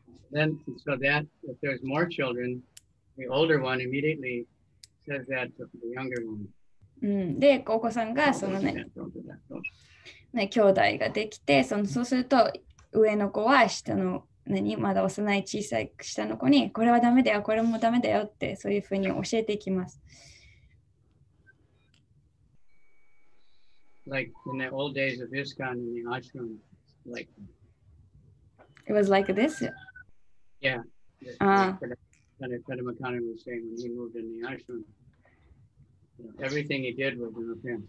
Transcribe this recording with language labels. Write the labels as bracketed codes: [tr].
[en] Then so that if there's more children, the older one immediatelySays that to the younger one. [ja] で、お子さんがそのね、ね、兄弟ができて、その、そうすると上の子は下の、何、まだ幼い小さい下の子に、これはダメだよ、これもダメだよって、そういうふうに教えていきます。 [en] Like in the old days of ISKCON and the ashram, like... It was like this? Yeah. Ah. Senator McConnell was saying when he moved in the ashram, everything he did was an offense.